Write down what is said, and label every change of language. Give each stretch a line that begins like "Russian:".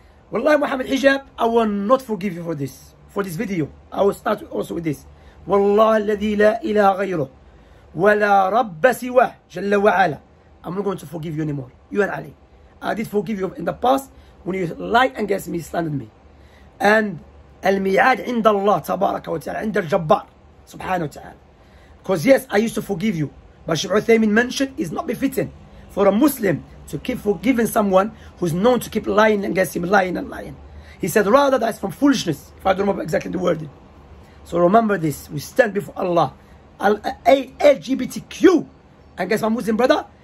English: Wallahi Muhammad Hijab, I will not forgive you for this video. I will start also with this.
Arabic: والله الذي لا إله غيره ولا رب سواه جل وعلا.
English: I'm not going to forgive you anymore. You are
Arabic: علي.
English: I did forgive you in the past when you lied against me, slandered me.
Arabic: And الميعاد عند الله تبارك وتعالى عند الجبار سبحانه وتعالى.
English: Because yes, I used to forgive you. But Sheikh Uthaymeen mentioned it's not befitting for a Muslim to keep forgiving someone who's known to keep lying against him, lying and lying. He said rather that's from foolishness. If I don't remember exactly the wording. So remember this. We stand before Allah. LGBTQ. And guess my Muslim brother?